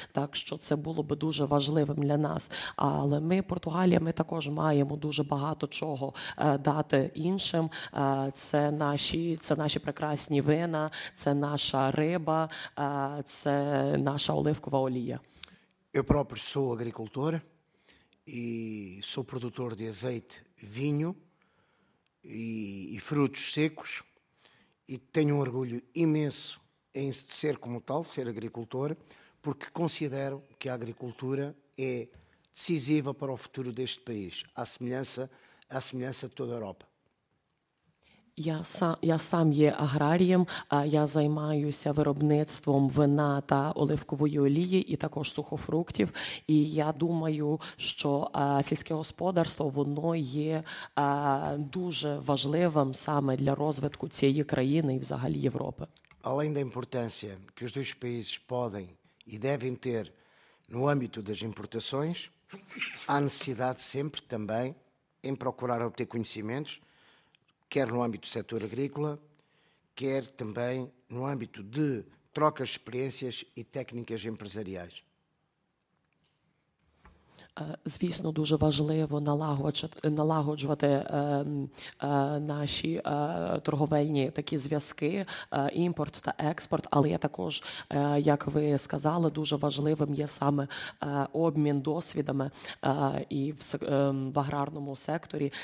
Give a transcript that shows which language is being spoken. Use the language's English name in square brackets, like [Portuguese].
[Ukrainian] Так що це було би дуже важливим для нас. Але ми, Португалія, ми також маємо дуже багато чого дати іншим. Це наші прекрасні вина, це наша риба, це наша оливкова олія. [Portuguese] Eu próprio sou agricultor e sou produtor de azeite, vinho e frutos secos e tenho um orgulho imenso em ser como tal, ser agricultor, porque considero que a agricultura é decisiva para o futuro deste país, à semelhança de toda a Europa. [Ukrainian] Я сам є аграрієм, я займаюся виробництвом вина та оливкової олії і також сухофруктів. І я думаю, що сільське господарство, воно є дуже важливим саме для розвитку цієї країни і взагалі Європи. [Portuguese] Além da importância que os dois países podem e devem ter no âmbito das importações, há necessidade sempre também em procurar obter conhecimentos, quer no âmbito do setor agrícola, quer também no âmbito de trocas de experiências e técnicas empresariais. [Ukrainian] Звісно, дуже важливо налагоджувати наші торговельні такі зв'язки, імпорт та експорт, але я також, як ви сказали, дуже важливим є саме обмін досвідами і в аграрному секторі.